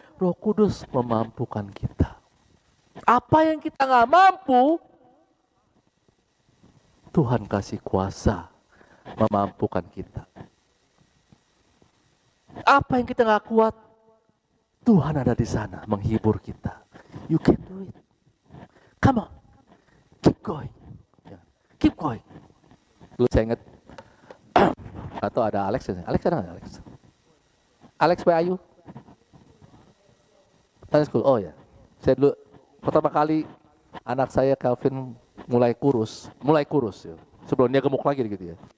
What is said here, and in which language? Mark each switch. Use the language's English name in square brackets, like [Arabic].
[Indonesian] Roh Kudus memampukan kita. Apa yang kita gak mampu, Tuhan kasih kuasa memampukan kita. Apa yang kita gak kuat, Tuhan ada di sana menghibur kita. [English] You can do it. Come on, keep going, keep going. [Indonesian] Lu saya ingat, atau ada Alex ya? Alex ada nggak Alex? Alex by Ayu? Sunday school, oh ya. Saya dulu, pertama kali anak saya Calvin mulai kurus. Ya. Sebelum dia gemuk lagi gitu ya.